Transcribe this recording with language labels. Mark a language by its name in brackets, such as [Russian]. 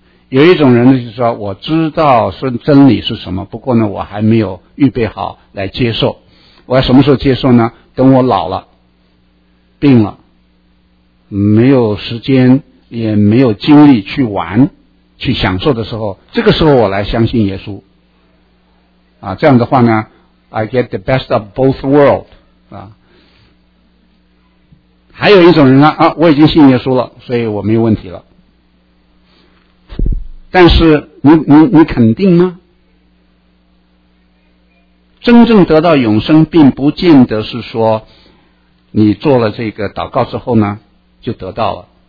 [Chinese] 有一种人呢，就是说，我知道真理是什么，不过呢，我还没有预备好来接受。我要什么时候接受呢？等我老了，病了，没有时间，也没有精力去玩，去享受的时候，这个时候我来相信耶稣。 [English] 啊， [Chinese] 这样的话呢 [English] ，I get the best of both worlds 啊。 [Chinese] 还有一种人呢，啊，我已经信耶稣了，所以我没有问题了。但是你肯定吗？真正得到永生，并不见得是说你做了这个祷告之后呢就得到了。